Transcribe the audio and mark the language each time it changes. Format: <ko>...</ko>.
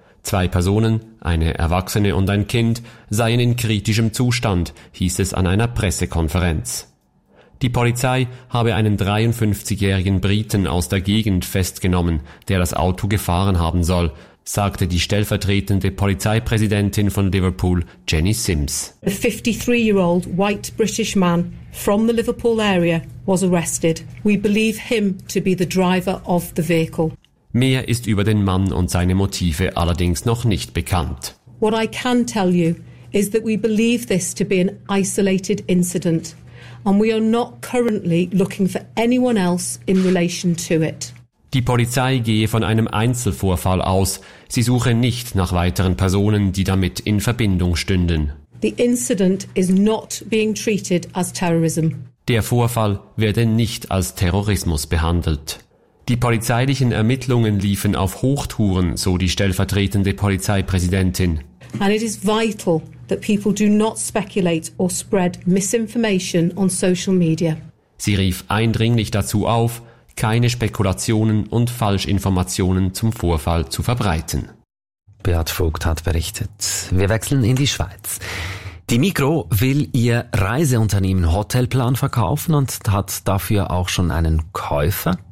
<de>Zwei Personen, eine Erwachsene und ein Kind, seien in kritischem Zustand, hieß es an einer Pressekonferenz. Die Polizei habe einen 53-jährigen Briten aus der Gegend festgenommen, der das Auto gefahren haben soll, sagte die stellvertretende Polizeipräsidentin von Liverpool, Jenny Sims.</de> <en>A 53-year-old white British man from the Liverpool area was arrested. We believe him to be the driver of the vehicle.</en> <de>Mehr ist über den Mann und seine Motive allerdings noch nicht bekannt.</de> <en>What I can tell you is that we believe this to be an isolated incident. And we are not currently looking for anyone else in relation to it.</en> <de>Die Polizei gehe von einem Einzelvorfall aus. Sie suche nicht nach weiteren Personen, die damit in Verbindung stünden.</de> <en>The incident is not being treated as terrorism.</en> <de>Der Vorfall werde nicht als Terrorismus behandelt. Die polizeilichen Ermittlungen liefen auf Hochtouren, so die stellvertretende Polizeipräsidentin.</de> <en>And it is vital that people do not speculate or spread misinformation on social media.</en> <de>Sie rief eindringlich dazu auf, keine Spekulationen und Falschinformationen zum Vorfall zu verbreiten. Beat Vogt hat berichtet. Wir wechseln in die Schweiz. Die Migros will ihr Reiseunternehmen Hotelplan verkaufen und hat dafür auch schon einen Käufer.</de>